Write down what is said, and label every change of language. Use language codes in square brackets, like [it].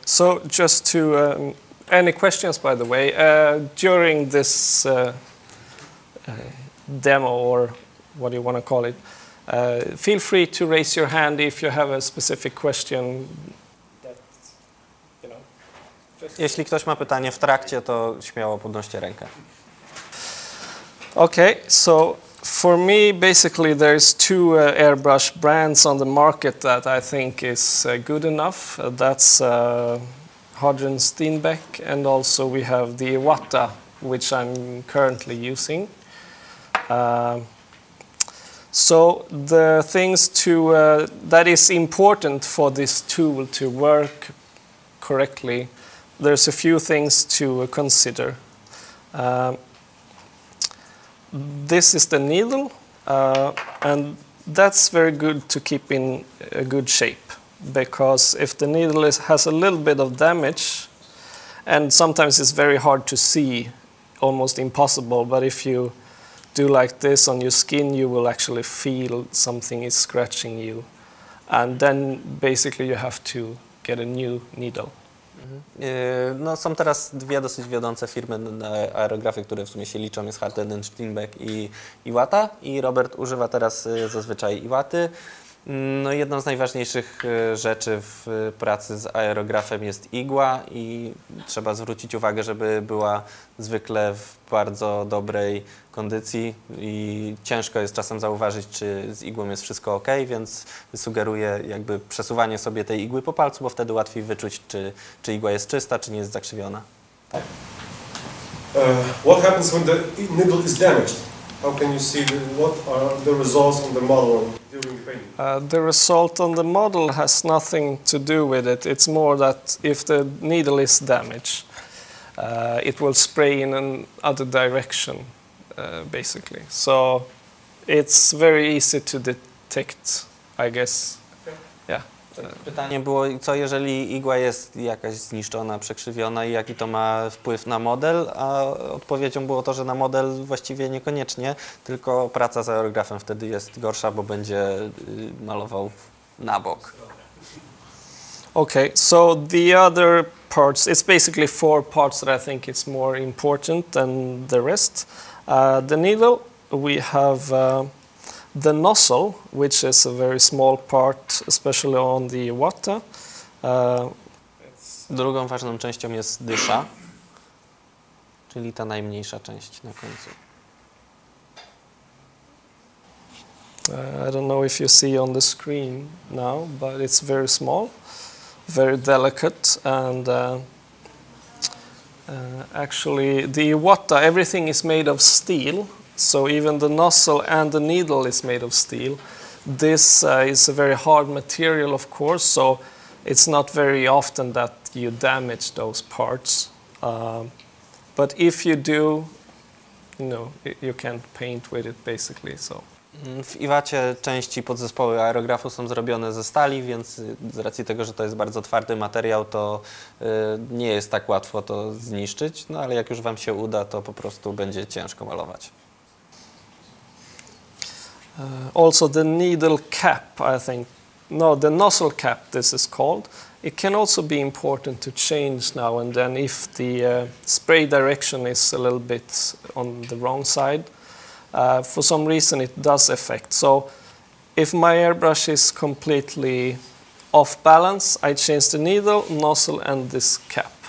[en] So just to any questions, by the way, during this demo or what you want to call it, feel free to raise your hand if you have a specific question. [pl] Jeśli ktoś ma pytanie w trakcie, to śmiało podnoście rękę. [en] Okay, so for me basically there's two airbrush brands on the market that I think is good enough. That's Hodgson Steenbeck, and also we have the Watta, which I'm currently using. So the things that is important for this tool to work correctly, there's a few things to consider. This is the needle, and that's very good to keep in a good shape, because if the needle has a little bit of damage, and sometimes it's very hard to see, almost impossible, but if you do like this on your skin, you will actually feel something is scratching you. and then basically you have to get a new needle. [pl] No, są teraz dwie dosyć wiodące firmy na aerografie, które w sumie się liczą, jest Harten & Steinbeck i Iwata. I Robert używa teraz zazwyczaj Iwaty. No, jedną z najważniejszych rzeczy w pracy z aerografem jest igła i trzeba zwrócić uwagę, żeby była zwykle w bardzo dobrej kondycji i ciężko jest czasem zauważyć, czy z igłą jest wszystko ok, więc sugeruję jakby przesuwanie sobie tej igły po palcu, bo wtedy łatwiej wyczuć, czy igła jest czysta, czy nie jest zakrzywiona. [en] What happens when the needle is damaged? How can you see what are the results on the model during painting? The result on the model has nothing to do with it. It's more that if the needle is damaged, it will spray in an other direction, basically. So it's very easy to detect, I guess. Okay. Yeah. [pl] Pytanie było, co jeżeli igła jest jakaś zniszczona, przekrzywiona i jaki to ma wpływ na model, a odpowiedzią było to, że na model właściwie niekoniecznie, tylko praca z aerografem wtedy jest gorsza, bo będzie malował na bok. [en] Okay, so the other parts, it's basically four parts that I think it's more important than the rest. The needle, we have the nozzle, which is a very small part, especially on the water. [pl] Drugą ważną częścią jest dysza, czyli ta najmniejsza część na końcu. [en] I don't know if you see on the screen now, but it's very small, very delicate, and actually the water, everything is made of steel. So even the nozzle and the needle is made of steel. This is a very hard material, of course, so it's not very often that you damage those parts. But if you do, you can't paint with it, basically, so. [pl] W Iwacie części podzespoły aerografu są zrobione ze stali, więc z racji tego, że to jest bardzo twardy materiał, to nie jest tak łatwo to zniszczyć, no ale jak już wam się uda, to po prostu będzie ciężko malować. [en] Also the needle cap, I think, no, the nozzle cap, this is called. It can also be important to change now and then if the spray direction is a little bit on the wrong side. For some reason it does affect. So if my airbrush is completely off balance, I change the needle, nozzle and this cap.